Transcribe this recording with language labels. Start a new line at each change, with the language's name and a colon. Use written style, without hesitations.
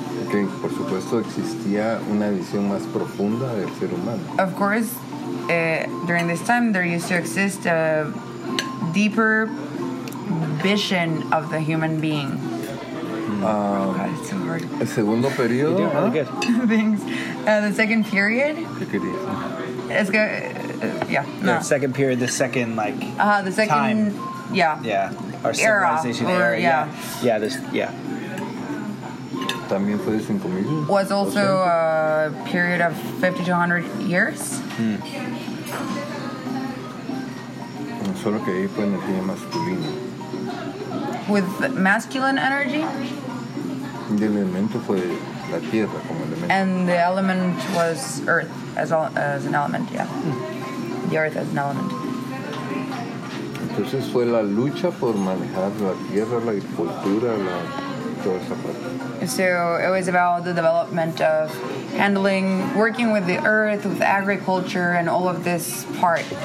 Spanish: Okay, por supuesto existía una visión más profunda del ser humano.
English: Of course, during this time, there used to exist a deeper vision of the human being.
Spanish: El segundo periodo.
English: Yeah, really good. Thanks. The second period. It's good. The second period, The second time. Yeah. Yeah. Our civilization era. Yeah. Yeah, this, yeah.
Spanish: También fue de 5,000.
English: Was also a period of 50 to 100 years.
Spanish: Solo que ahí fue energía masculina.
English: With masculine energy? The element
Spanish: fue la tierra como elemento.
English: And the element was earth as an element, yeah. The earth as an element.
Spanish: Entonces fue la lucha por manejar la tierra, la agricultura, la toda esa parte.
English: So it was about the development of handling, working with the earth, with agriculture, and all of this part.